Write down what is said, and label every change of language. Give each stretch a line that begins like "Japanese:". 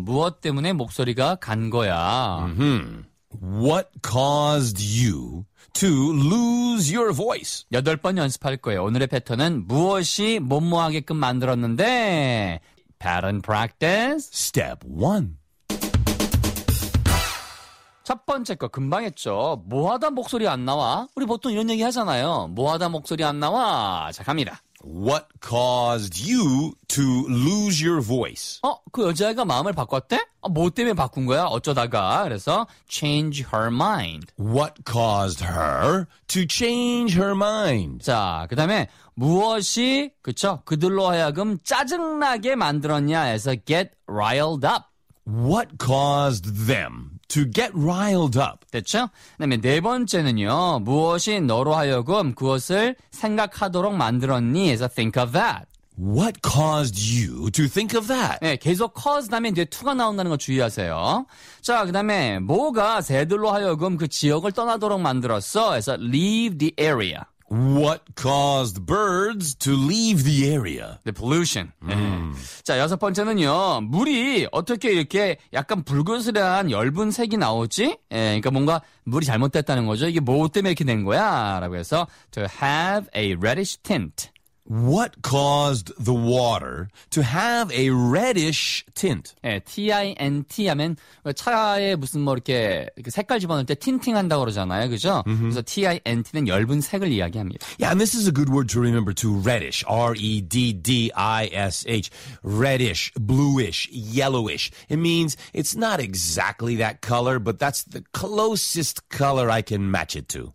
Korean: 무엇 때문에 목소리가 간 거야? Mm-hmm.
English: What caused you to lose your voice?
Korean: 여덟 번 연습할 거예요. 오늘의 패턴은 무엇이 뭐뭐하게끔 만들었는데?
English: Pattern practice. Step one.
Korean: 첫 번째 거 금방 했죠. 뭐하다 목소리 안 나와? 우리 보통 이런 얘기 하잖아요. 뭐하다 목소리 안 나와? 자, 갑니다.
English: What caused you to lose your voice?
Korean: 어? 그 여자애가 마음을 바꿨대? 뭐 때문에 바꾼 거야? 어쩌다가? 그래서
English: change her mind. What caused her to change her mind?
Korean: 자, 그 다음에 무엇이 그쵸? 그들로 하여금 짜증나게 만들었냐? 해서
English: get riled up. What caused them to get riled up.
Korean: 됐죠? 그다음에 네 번째는요. 무엇이 너로 하여금 그것을 생각하도록 만들었니? 해서
English: think of that. What caused you to think of that?
Korean: 네, 계속 cause 다음에 뒤에 to가 나온다는 거 주의하세요. 자, 그다음에 뭐가 새들로 하여금 그 지역을 떠나도록 만들었어? 해서
English: leave the area. What caused birds to leave the area? The pollution.
Korean: Mm. 자, 여섯 번째는요. 물이 어떻게 이렇게 약간 붉은스레한 엷은 색이 나오지? 예, 그러니까 뭔가 물이 잘못됐다는 거죠. 이게 뭐 때문에 이렇게 된 거야? 라고 해서
English: to have a reddish tint. What caused the water to have a reddish tint?
Korean: 예, T-I-N-T 하면 차에 무슨 뭐 이렇게 색깔 집어넣을 때 �inting한다고 그러잖아요, 그죠? Mm-hmm. 그래서 T-I-N-T는 엷은 색을 이야기합니다.
English: Yeah, and this is a good word to remember too, reddish. R-E-D-D-I-S-H. Reddish, bluish, yellowish. It means it's not exactly that color, but that's the closest color I can match it to.